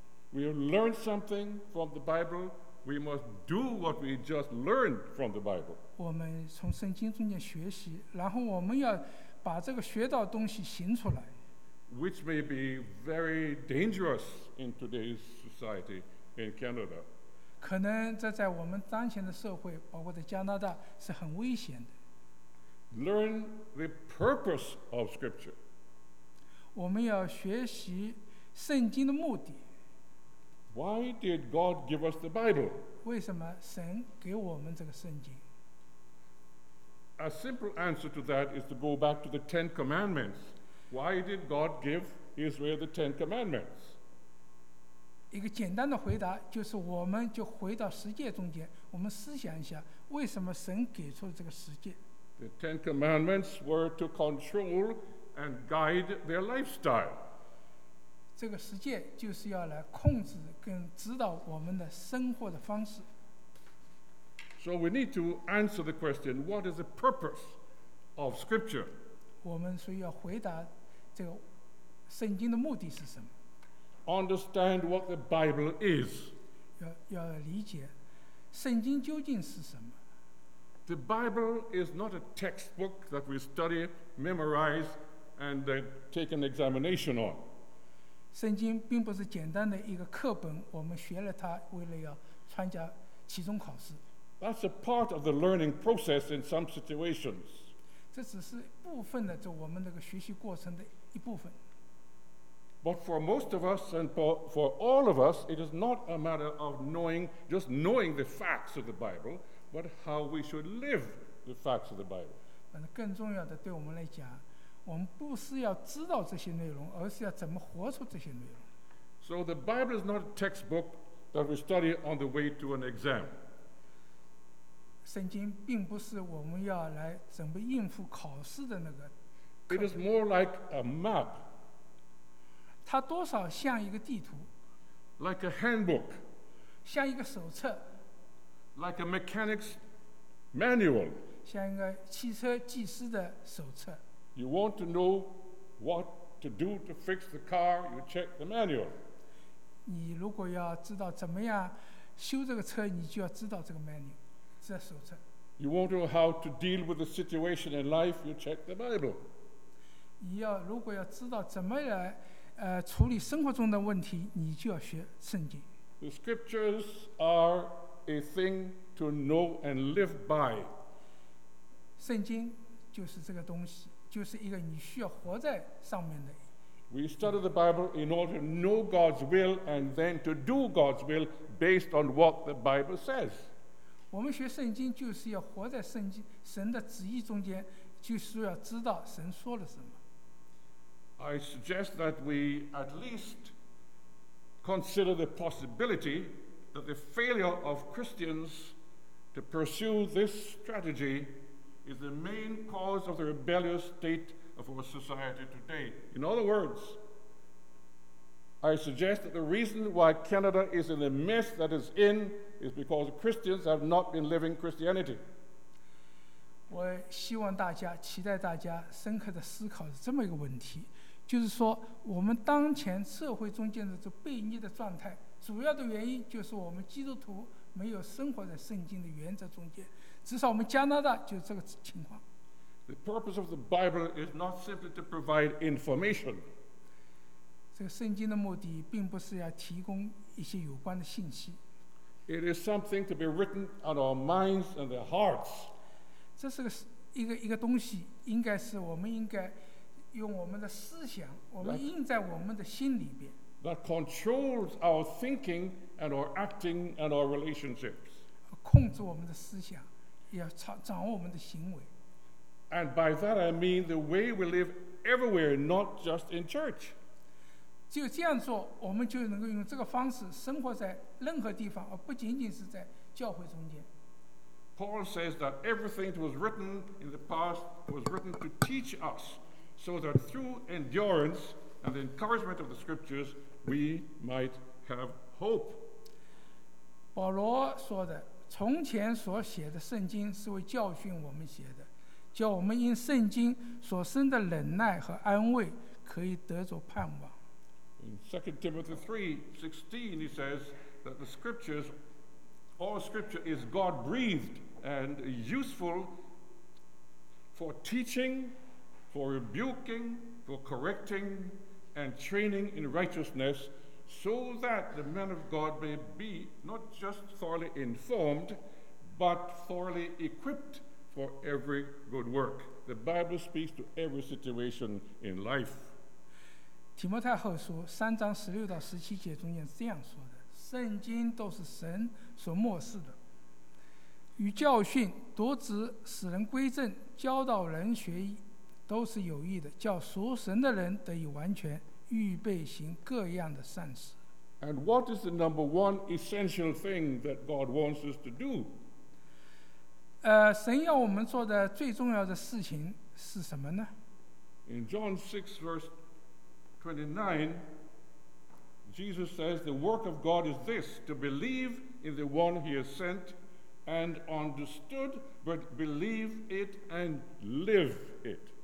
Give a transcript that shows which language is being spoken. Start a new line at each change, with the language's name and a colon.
English: We have learned something from the Bible. We must do what we just learned from the Bible.
Chinese: 我们从圣经中间学习，然后我们要把这个学到的东西行出来。
English: Which may be very dangerous in today's society in Canada.
Chinese: 可能这在我们当前的社会，包括在加拿大，是很危险的。
English: Learn the purpose of Scripture.
Chinese: 我们要学习圣经的目的。
English: Why did God give us the Bible?
Chinese: 为什么神给我们这个圣经？
English: A simple answer to that is to go back to the Ten Commandments. Why did God give Israel the Ten Commandments?
Chinese: 一个简单的回答就是我们就回到十诫中间，我们思想一下为什么神给出了这个十诫。
English: The Ten Commandments were to control and guide their lifestyle.
Chinese: 这个十诫就是要来控制跟指导我们的生活的方式。
English: So we need to answer the question, what is the purpose of Scripture?
Chinese: 我们所以要回答这个圣经的目的是什么。
English: Understand what the Bible is.
Chinese: 要理解圣经究竟是什么。
English: The Bible is not a textbook that we study, memorize, and then take an examination on.
Chinese: 圣经并不是简单的一个课本，我们学了它，为了要参加期中考试。
English: That's a part of the learning process in some situations.
Chinese: 这只是部分的，这我们那个学习过程的一部分。
English: But for most of us, and for all of us, it is not a matter of knowing, just knowing the facts of the Bible. But how we should live the facts of the Bible.
Chinese: 但是更重要的，对我们来讲，我们不是要知道这些内容，而是要怎么活出这些内容。
English: So the Bible is not a textbook that we study on the way to an exam.
Chinese: 圣经并不是我们要来准备应付考试的那个。
English: It is more like a map.
Chinese: 它多少像一个地图。
English: Like a handbook.
Chinese: 像一个手册。
English: Like a mechanic's manual.
Chinese: 像一个汽车技师的手册。
English: You want to know what to do to fix the car, you check the manual.
Chinese: 你如果要知道怎么样修这个车，你就要知道这个 manual， 这手册。
English: You want to know how to deal with the situation in life, you check the Bible.
Chinese: 你要如果要知道怎么来处理生活中的问题，你就要学圣经。
English: The scriptures are a thing to know and live by.
Chinese: 圣经就是这个东西，就是一个你需要活在上面的。
English: We study the Bible in order to know God's will and then to do God's will based on what the Bible says.
Chinese: 我们学圣经就是要活在圣经神的旨意中间，就是要知道神说了什么。
English: I suggest that we at least consider the possibility that the failure of Christians to pursue this strategy is the main cause of the rebellious state of our society today. In other words, I suggest that the reason why Canada is in the mess that it's in is because Christians have not been living Christianity.
Chinese: 我希望大家，期待大家深刻地思考这么一个问题，就是说我们当前社会中间的这被逆的状态，主要的原因就是我们基督徒没有生活在圣经的原则中间，至少我们加拿大就这个情况。
English: The purpose of the Bible is not simply to provide information.
Chinese: 这个圣经的目的并不是要提供一些有关的信息。
English: It is something to be written on our minds and our hearts.
Chinese: 这是一个东西，应该是我们应该用我们的思想，我们印在我们的心里边。
English: That controls our thinking and our acting and our relationships.
Chinese: 控制我们的思想，也掌握我们的行为。
English: And by that I mean the way we live everywhere, not just in church.
Chinese: 就这样做，我们就能够用这个方式生活在任何地方，而不仅仅是在教会中间。
English: Paul says that everything that was written in the past was written to teach us, so that through endurance and the encouragement of the scriptures, we might have hope.
Chinese: 保罗说的，从前所写的圣经是为教训我们写的，叫我们因圣经所生的忍耐和安慰可以得着盼望。
English: In 2 Timothy 3:16, he says that the scriptures, all scripture is God-breathed and useful for teaching, for rebuking, for correcting, and training in righteousness, so that the man of God may be not just thoroughly informed, but thoroughly equipped for every good work. The Bible speaks to every situation in life.
Chinese: 提摩太后书三章十六到十七节中间这样说的，圣经都是神所默示的，与教训夺职使人归正，教导人学义，都是有益的，叫属神的人得以完全，预备行各样的善事。
English: And what is the number one essential thing that God wants us to do?
Chinese: 神要我们做的最重要的事情是什么呢？
English: In John 6 verse 29, Jesus says, the work of God is this, to believe in the one he has sent and understood, but believe it and live it.